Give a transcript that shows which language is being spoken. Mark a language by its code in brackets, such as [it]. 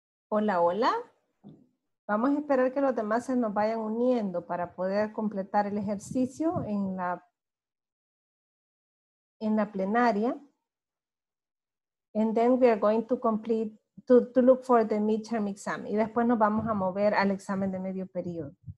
[es] Hola, hola. Vamos a esperar que los demás se nos vayan uniendo para poder completar el ejercicio en la plenaria. [en] And then we are going to complete to look for the midterm exam. [es] Y después nos vamos a mover al examen de medio periodo.